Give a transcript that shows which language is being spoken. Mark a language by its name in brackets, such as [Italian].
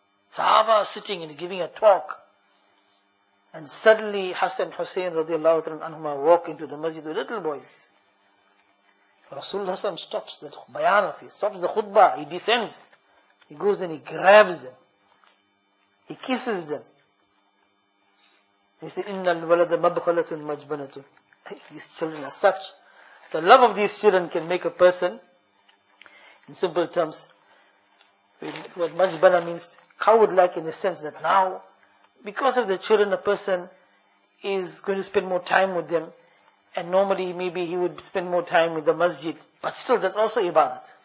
[English] Sahaba sitting and giving a talk. And suddenly Hassan Hussein radiallahu ta'ala anhuma walk into the masjid with little boys. Rasulullah stops the bayan of his, stops the khutbah, he descends. He goes and he grabs them. He kisses them. He said, [Arabic] إِنَّ الْوَلَدَ مَبْخَلَةٌ مَجْبَنَةٌ. [English] These children are such. The love of these children can make a person, in simple terms, what majbana means, coward-like in the sense that now, because of the children, a person is going to spend more time with them, and normally maybe he would spend more time with the masjid, but still that's also ibadat.